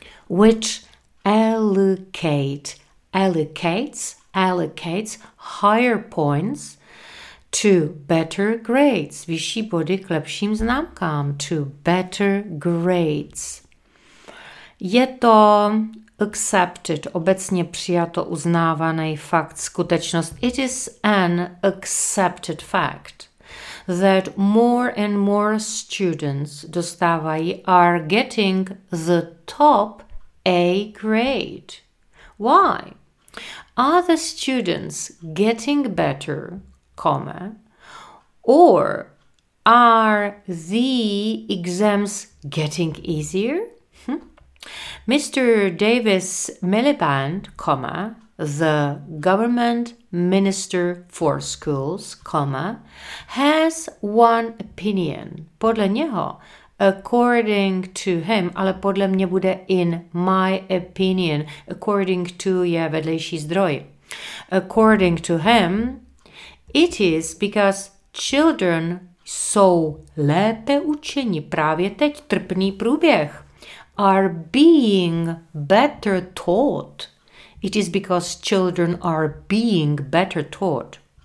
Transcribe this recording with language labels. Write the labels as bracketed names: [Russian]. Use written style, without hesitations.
[English] which allocates higher points to better grades, [Czech] vyšší body k lepším známkám, [English] to better grades. [Czech] Je to accepted, obecně přijato, uznávaný fakt, skutečnost. [English] It is an accepted fact that more and more students [Czech] dostávají [English] are getting the top A grade. Why? Are the students getting better, comma, or are the exams getting easier? Mr. Davis Miliband, comma, the government minister for schools, comma, has one opinion. [Czech] Podle něho, [English] according to him, [Czech] ale podle mě bude [English] in my opinion, according to [Czech] je vedlejší zdroj. [English] According to him, it is because children [Czech] jsou lépe učeni, právě teď trpný průběh. [English] Are being better taught. It is because children are being better taught.